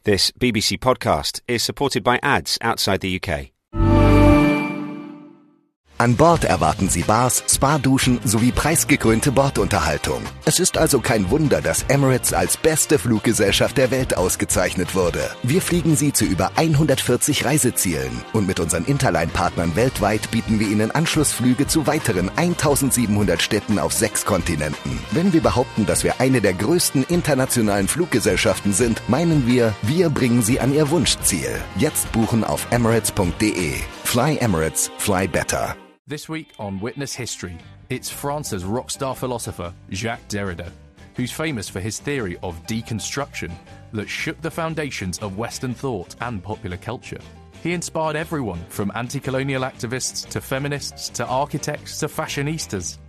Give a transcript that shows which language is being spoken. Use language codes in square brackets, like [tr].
[en] This BBC podcast is supported by ads outside the UK. [de] An Bord erwarten Sie Bars, Spa-Duschen sowie preisgekrönte Bordunterhaltung. Es ist also kein Wunder, dass Emirates als beste Fluggesellschaft der Welt ausgezeichnet wurde. Wir fliegen Sie zu über 140 Reisezielen. Und mit unseren Interline-Partnern weltweit bieten wir Ihnen Anschlussflüge zu weiteren 1700 Städten auf 6 Kontinenten. Wenn wir behaupten, dass wir eine der größten internationalen Fluggesellschaften sind, meinen wir, wir bringen Sie an Ihr Wunschziel. Jetzt buchen auf emirates.de. [en] Fly Emirates, fly better. This week on Witness History, it's France's rockstar philosopher Jacques Derrida, who's famous for his theory of deconstruction that shook the foundations of Western thought and popular culture. He inspired everyone from anti-colonial activists to feminists to architects to fashionistas.